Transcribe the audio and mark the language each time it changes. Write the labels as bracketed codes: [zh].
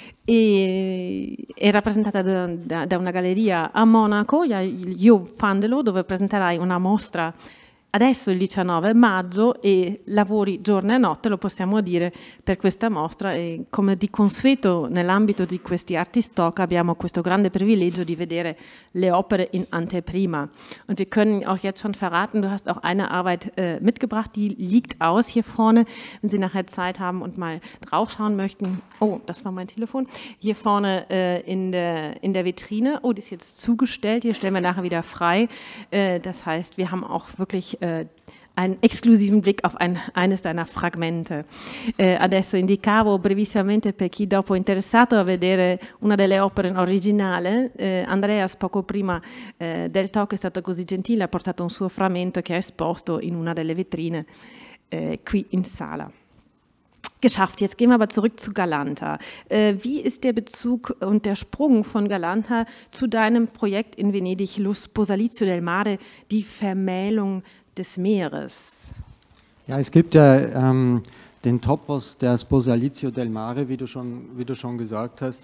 [it] E è rappresentata da una galleria a Monaco, Jo van de Loo, dove presenterai una mostra adesso il 19 maggio e lavori giorno e notte, lo possiamo dire, per questa mostra. E come di consueto nell'ambito di questi Artist Talk abbiamo questo grande privilegio di vedere le opere in anteprima. [de] Und wir können auch jetzt schon verraten, du hast auch eine Arbeit mitgebracht, die liegt aus hier vorne, wenn Sie nachher Zeit haben und mal draufschauen möchten. Oh, das war mein Telefon. Hier vorne in der Vitrine. Oh, die ist jetzt zugestellt, hier stellen wir nachher wieder frei. Das heißt, wir haben auch wirklich einen esclusivo Blick auf eines deiner Fragmente. [it] Adesso indicavo brevissimamente per chi dopo è interessato a vedere una delle opere in originale. Andreas, poco prima del talk, è stato così gentile, ha portato un suo frammento che ha esposto in una delle vetrine qui in sala. Geschafft. [de] Jetzt gehen wir aber zurück zu Galanta. Wie ist der Bezug und der Sprung von Galanta zu deinem Projekt in Venedig, Lo Sposalizio del Mare, die Vermählung des Meeres? Ja, es gibt ja den Topos der Sposalizio del Mare, wie du schon gesagt hast.